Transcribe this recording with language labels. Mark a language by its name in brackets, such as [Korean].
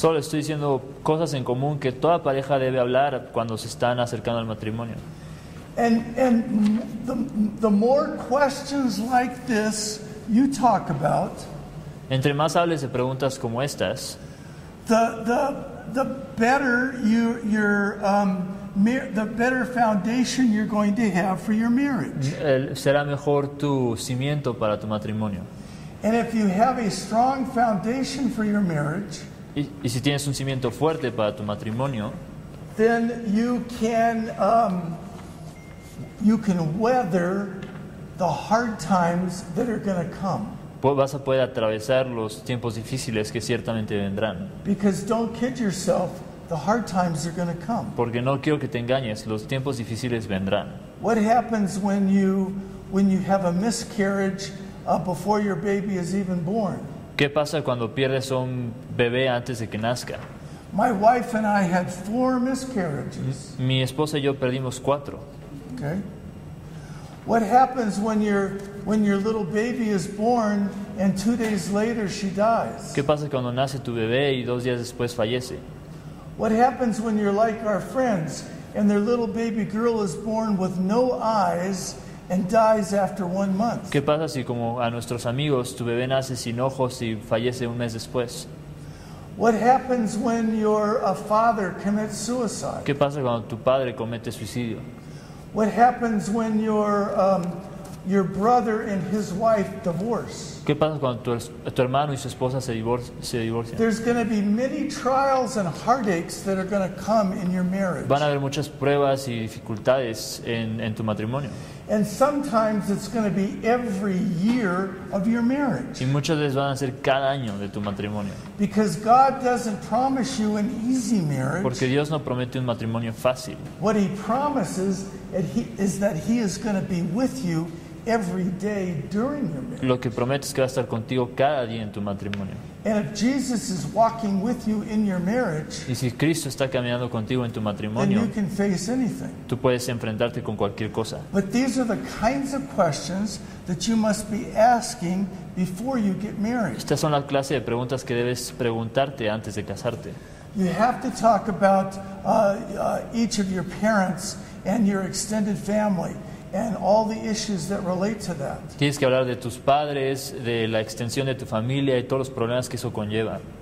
[Spanish] Solo estoy diciendo cosas en común que toda pareja debe hablar cuando se están acercando al matrimonio. [English] And the more questions like this you talk about, [Spanish] entre más hables de preguntas como estas, [English] the better the better foundation you're going to have for your marriage. [Spanish] Será mejor tu cimiento para tu matrimonio. [English] And if you have a strong foundation for your marriage, [Spanish] y si tienes un cimiento fuerte para tu matrimonio, [English] then you can weather the hard times that are going to come. [Spanish] vas a poder atravesar los tiempos difíciles que ciertamente vendrán. [English] Because don't kid yourself, the hard times are going to come. [Spanish] Porque no quiero que te engañes, los tiempos difíciles vendrán. [English] What happens when you have a miscarriage before your baby is even born? [Spanish] ¿Qué pasa cuando pierdes un bebé antes de que nazca? [English] My wife and I had 4 miscarriages. [Spanish] Mi esposa y yo perdimos 4. [English] Okay. What happens when your little baby is born and 2 days later she dies? [Spanish] ¿Qué pasa cuando nace tu bebé y 2 días después fallece? [English] What happens when you're like our friends and their little baby girl is born with no eyes and dies after 1 month? [Spanish] ¿Qué pasa si como a nuestros amigos tu bebé nace sin ojos y fallece un mes después? [English] What happens when your father commits suicide? [Spanish] ¿Qué pasa cuando tu padre comete suicidio? [English] What happens when your brother and his wife divorce? [Spanish] ¿Qué pasa cuando tu hermano y su esposa se divorcian? [English] There's going to be many trials and heartaches that are going to come in your marriage. [Spanish] Van a haber muchas pruebas y dificultades en tu matrimonio. [English] And sometimes it's going to be every year of your marriage. [Spanish] Y muchas veces van a ser cada año de tu matrimonio. [English] Because God doesn't promise you an easy marriage. [Spanish] Porque Dios no promete un matrimonio fácil. [English] What he promises is that he is going to be with you every day during your marriage. [Spanish] Lo que promete es que va a estar contigo cada día en tu matrimonio. [English] And if Jesus is walking with you in your marriage, [Spanish] y si Cristo está caminando contigo en tu matrimonio, [English] then you can face anything. [Spanish] Tú puedes enfrentarte con cualquier cosa. [English] But these are the kinds of questions that you must be asking before you get married. [Spanish] Estas son las clases de preguntas que debes preguntarte antes de casarte. [English] You have to talk about each of your parents and your extended family and all the issues that relate to that. [Spanish] Tienes que hablar de tus padres, de la extensión de tu familia y todos los problemas que eso conlleva.